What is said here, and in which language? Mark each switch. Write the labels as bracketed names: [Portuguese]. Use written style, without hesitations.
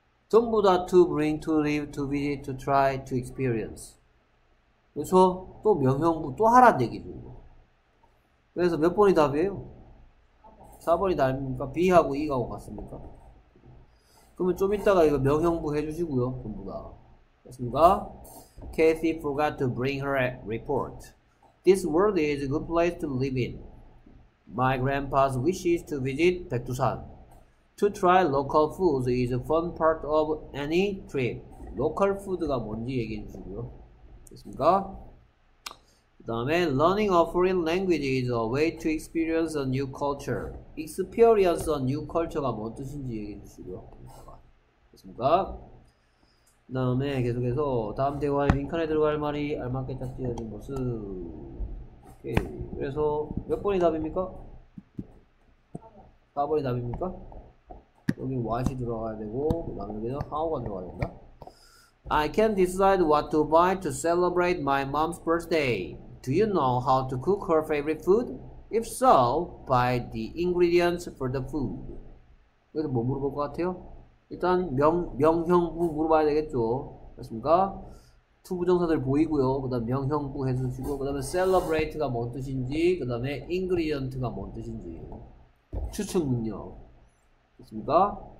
[Korean] 전부 다 [English] to bring, to live, to visit, to try, to experience. [Korean] 그래서 또 명형부 또 하란 얘기죠. 그래서 몇 번이 답이에요? 4번이 답입니까? B하고 E하고 같습니까? 그러면 좀 이따가 이거 명형부 해주시고요. 전부 다. 됐습니까? [English] Kathy forgot to bring her report. This world is a good place to live in. My grandpa's wishes to visit 백두산. To try local foods is a fun part of any trip. [Korean] 로컬 푸드가 뭔지 얘기해 주시고요. 됐습니까? 그 다음에 [English] Learning a foreign language is a way to experience a new culture. Experience a new culture [Korean] 가 뭔 뜻인지 얘기해 주시고요. 됐습니까? 그 다음에 계속해서 다음 대화의 빈칸에 들어갈 말이 알맞게 딱 지어진 것은 오케이. 그래서 몇 번이 답입니까? 4번이 답입니까? 여기 what이 들어가야 되고, 그 다음에 여기는 how가 들어가야 된다. [English] I can decide what to buy to celebrate my mom's birthday. Do you know how to cook her favorite food? If so, buy the ingredients for the food. [Korean] 여기서 뭐 물어볼 것 같아요? 일단 명형부 물어봐야 되겠죠. 맞습니까? 투부정사들 보이고요. 그 다음 명형부 해주시고, 그 다음에 celebrate가 뭔 뜻인지, 그 다음에 ingredient가 뭔 뜻인지. 추측 능력. 됐습니까?